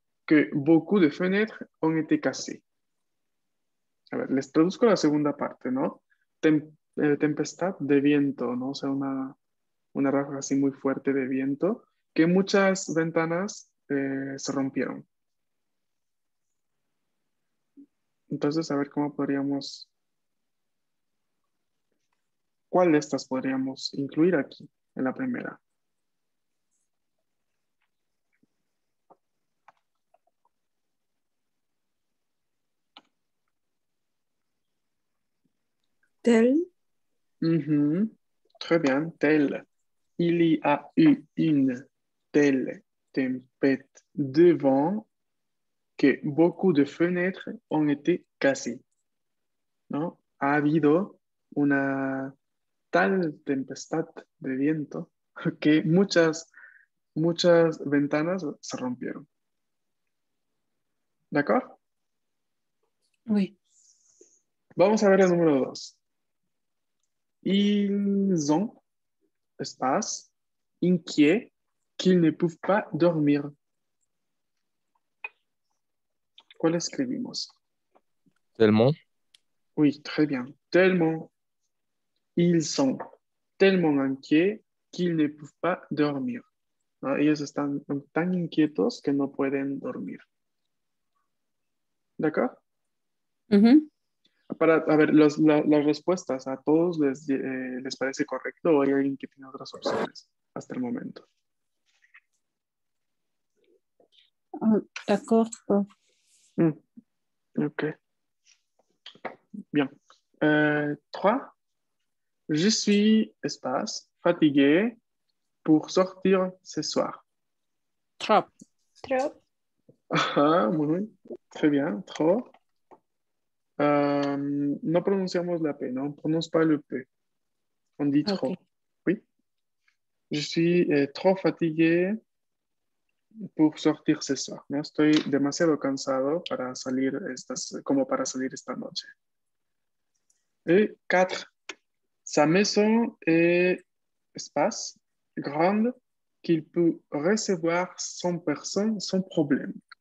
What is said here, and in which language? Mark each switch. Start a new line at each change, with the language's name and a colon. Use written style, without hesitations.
French: Que beaucoup de fenêtres ont été cassées.
Spanish: A ver, les traduzco la segunda parte, ¿no? Tempestad de viento, ¿no? O sea, una ráfaga así muy fuerte de viento que muchas ventanas se rompieron. Entonces, a ver cómo podríamos... ¿Cuál de estas podríamos incluir aquí, en la primera?
French: Tel. Très bien, tel. Il y a eu une telle tempête de vent que beaucoup de fenêtres ont été cassées.
Spanish: ¿No? Ha habido una tal tempestad de viento que muchas ventanas se rompieron.
French: ¿D'accord? Oui.
Spanish: Vamos a ver el número 2.
French: Ils ont, espace, inquiet qu'ils ne peuvent pas dormir.
Spanish: ¿Cuál escribimos?
French: Tellement. Oui, très bien. Tellement. Ils sont tellement inquiets qu'ils ne peuvent pas dormir.
Spanish: ¿No? Ellos están tan inquietos que no pueden dormir.
French: ¿D'accord? Mm-hmm.
Spanish: Para, a ver, las respuestas a todos les parece correcto o hay alguien que tiene otras opciones hasta el momento. De acuerdo.
French: Ok. Bien. Trois. Je suis, espace, fatigué pour sortir ce soir. Trop. Trop. Très bien.
Spanish: Trop. No pronunciamos la P, ¿no? Pronunciamos
French: pas le P. On dit trop. Okay. Oui. Je suis trop fatigué. pour sortir ce soir.
Spanish: No estoy demasiado cansado para salir como para salir esta noche.
French: Et 4. Sa maison est espace grande qu'il peut recevoir 100 personnes sans problème.